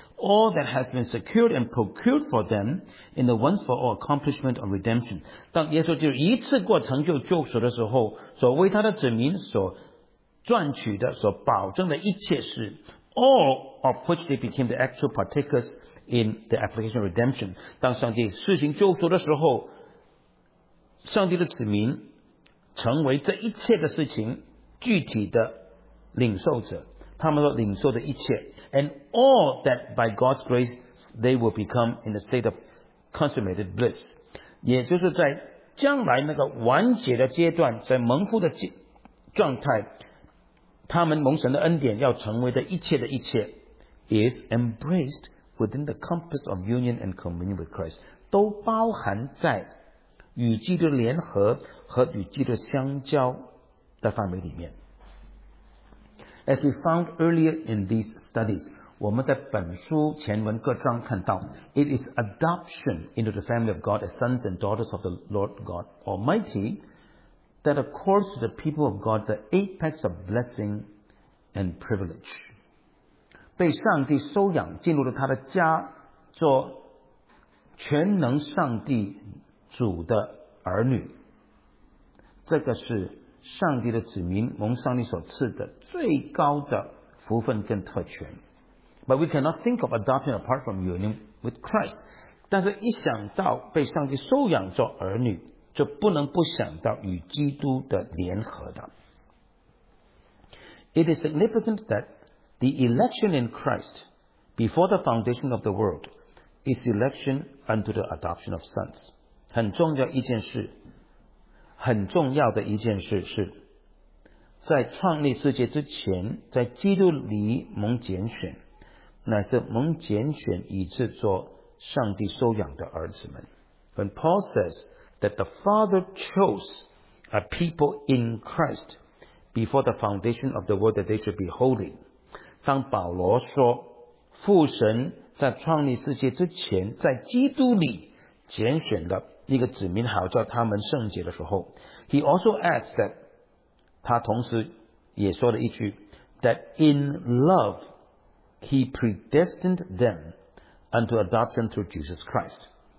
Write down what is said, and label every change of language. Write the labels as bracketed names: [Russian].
[English] All that has been secured and procured for them in the once for all accomplishment of redemption. [Chinese] 当耶稣基督一次过成就救赎的时候，所为他的子民所赚取的，所保证的一切事， [English] All of which they became the actual partakers in the application of redemption. [Chinese] 当上帝施行救赎的时候，上帝的子民成为这一切的事情具体的领受者，他们所领受的一切。 [English] And all that by God's grace they will become in a state of consummated bliss. [Chinese] 也就是在将来那个完结的阶段，在蒙福的状态，他们蒙神的恩典要成为的一切的一切， [English] is embraced within the compass of union and communion with Christ. [Chinese] 都包含在与基督联合和与基督相交的范围里面。 [English] As we found earlier in these studies, [Chinese] 我们在本书前文各章看到， [English] It is adoption into the family of God as sons and daughters of the Lord God Almighty that accords to the people of God the apex of blessing and privilege. [Chinese] 被上帝收养进入了他的家，做全能上帝主的儿女，这个是上帝的子民蒙上帝所赐的最高的福分跟特权。 [English] But we cannot think of adoption apart from union with Christ. [Chinese] 但是一想到被上帝收养做儿女，就不能不想到与基督的联合的。 [English] It is significant that the election in Christ before the foundation of the world is election unto the adoption of sons. [Chinese] 很重要一件事，很重要的一件事是，在创立世界之前，在基督里蒙拣选，乃是蒙拣选以致做上帝收养的儿子们。 [English] When Paul says that the Father chose a people in Christ before the foundation of the world that they should be holy， [Chinese] 当保罗说父神在创立世界之前，在基督里拣选的一个子民，好叫他们圣洁的时候， [English] He also adds that， [Chinese] 他同时也说了一句， [English] That in love He predestined them unto adoption through Jesus Christ。